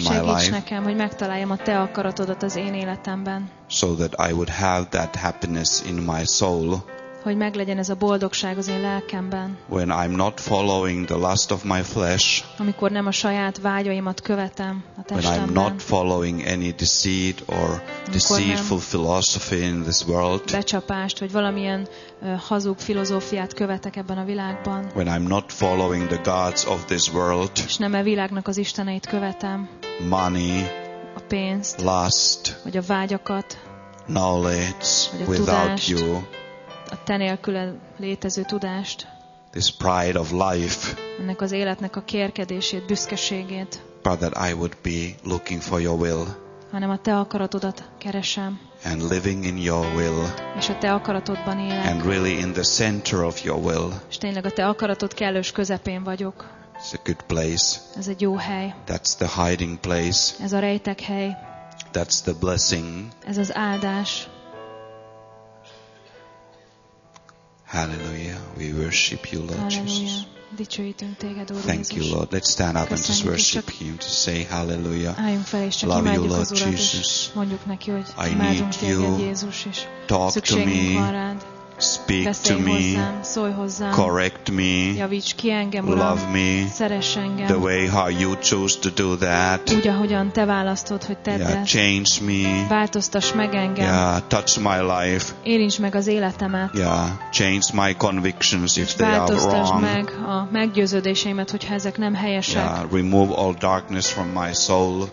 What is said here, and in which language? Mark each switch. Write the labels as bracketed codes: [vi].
[hu] Segíts nekem, hogy megtaláljam a te akaratodat az én életemben. [en] So that I would have that happiness in my soul. [hu] Hogy meglegyen ez a boldogság az én lelkemben. [en] When I'm not following the lust of my flesh. [hu] Amikor nem a saját vágyaimat követem a testemben. [en] When I'm not following any deceit or deceitful philosophy in this world. [hu] Becsapást vagy valamilyen hazug filozófiát követek ebben a világban. [en] When I'm not following the gods of this world. [hu] És nem a világnak az isteneit követem. [en] Money. [hu] A pénzt. [en] Lust. [hu] Vagy a vágyakat. [en] Knowledge. [hu] Vagy a [en] without [hu] tudást. [en] You. [hu] A te nélkül létező tudást. [en] This pride of life. [hu] Ennek az életnek a kérkedését, büszkeségét. [en] But that I would be looking for your will. [hu] Hanem a te akaratodat keresem. [en] And living in your will. [hu] És a te akaratodban élek. [en] And really in the center of your will. [hu] És tényleg a te akaratod kellős közepén vagyok. [en] It's a good place. [hu] Ez egy jó hely. [en] That's the hiding place. [hu] Ez a rejtek hely. [en] That's the blessing. [hu] Ez az áldás. [en] Hallelujah. We worship you, Lord [hu] Hallelujah. [en] Jesus. Thank you, Lord. Let's stand up [hu] Köszönjük [en] and just worship him to say hallelujah. Love you, Lord Jesus. [hu] Neki, hogy [en] I need you. Talk to me. Speak to me. Correct me. [hu] Javíts ki engem, Uram. [en] Love me. [hu] Szeress engem. [en] The way how you choose to do that. [hu] Úgy, ahogyan te választod, hogy tedd [en] yeah, change me. [hu] Változtass meg engem. [en] Yeah, touch my life. [hu] Érints meg az életemet. [en] Yeah, change my convictions if [hu] és [en] they are wrong. [hu] Változtass meg a meggyőződéseimet, hogyha ezek nem helyesek. [en] Yeah, remove all darkness from my soul.